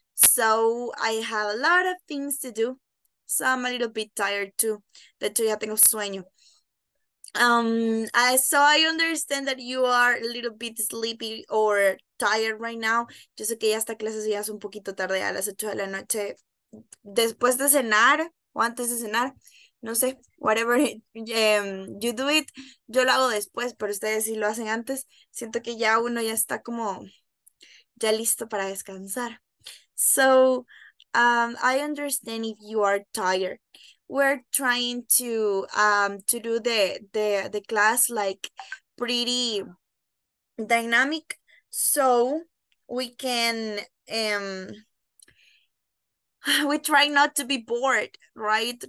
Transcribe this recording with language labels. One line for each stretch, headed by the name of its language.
English: So I have a lot of things to do. So I'm a little bit tired too.
Spanish: De hecho, ya tengo sueño.
English: So I understand that you are a little bit sleepy or tired right now.
Spanish: Yo sé que ya esta clase ya es un poquito tarde, a las 8 de la noche. Después de cenar o antes de cenar. No sé,
English: whatever you do it.
Spanish: Yo lo hago después, pero ustedes sí lo hacen antes. Siento que ya uno ya está como ya listo para descansar.
English: So I understand if you are tired. We're trying to do the class like pretty dynamic so we can we try not to be bored, right?